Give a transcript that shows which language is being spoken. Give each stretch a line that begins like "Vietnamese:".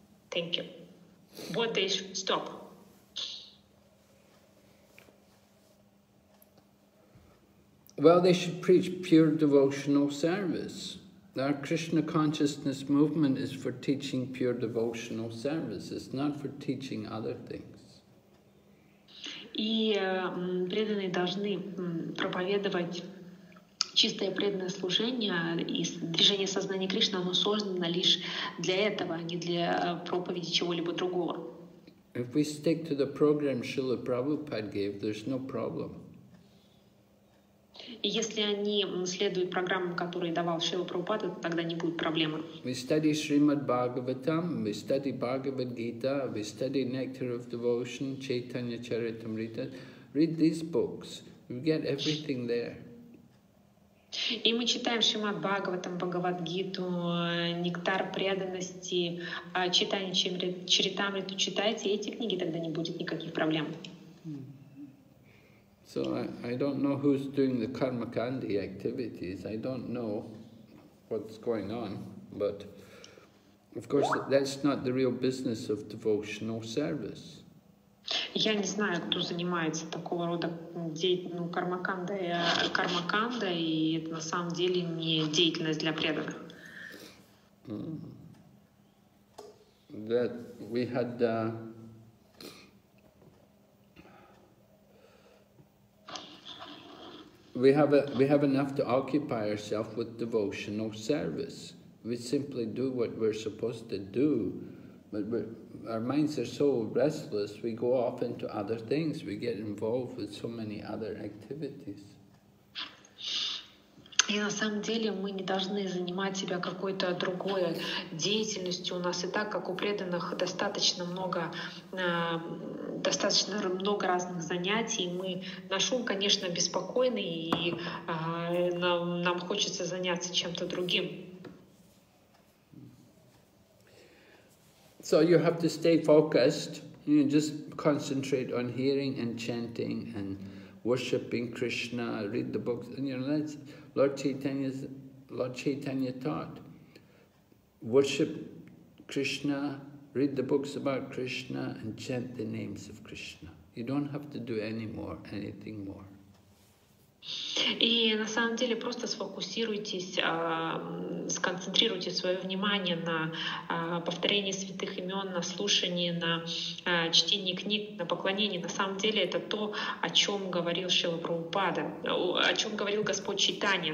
English: Thank you. What they should stop? The Well, they should preach pure devotional service. Our Krishna consciousness movement is for teaching pure devotional service. It's not for teaching other things.
Russian: И преданные должны проповедовать чистое преданное служение, и движение сознания Кришны, оно создано лишь для этого, а не для проповеди чего-либо другого.
English: If we stick to the program Srila Prabhupada gave, there's no problem.
Russian: И если они следуют программам, которые давал Шрила Прабхупада, то тогда не будет проблемы.
English: We study Srimad Bhagavatam, we study Bhagavad Gita, we study Nectar of Devotion, Chaitanya Charitamrita. Read these books. We get everything there.
Russian: И мы читаем Шримад Бхагаватам, Бхагавад Гиту, Нектар преданности, Чайтанья Чаритамриту. Читайте эти книги, тогда не будет никаких проблем.
English: So I don't know who's doing the Karmakandi activities. I don't know what's going on, but of course that's not the real business of devotional service.
Russian: Я не знаю, кто занимается такого рода кармаканда, и это на самом деле не деятельность для преданных.
English: That we had. We have enough to occupy ourselves with devotional service. We simply do what we're supposed to do, but our minds are so restless, we go off into other things. We get involved with so many other activities.
Russian: И на самом деле мы не должны занимать себя какой-то другой деятельностью. У нас и так, как у преданных, достаточно много разных занятий. Мы наш ум, конечно, беспокойны, и нам хочется заняться чем-то другим.
English: So you have to stay focused. You know, just concentrate on hearing and chanting and worshipping Krishna, read the books, and you know, that's Lord Chaitanya taught. Worship Krishna, read the books about Krishna, and chant the names of Krishna. You don't have to do anything more.
Russian: И на самом деле просто сфокусируйтесь, сконцентрируйте свое внимание на повторении святых имен, на слушании, на чтении книг, на поклонении. На самом деле это то, о чем говорил Шрила Прабхупада, о чем говорил Господь Чайтанья.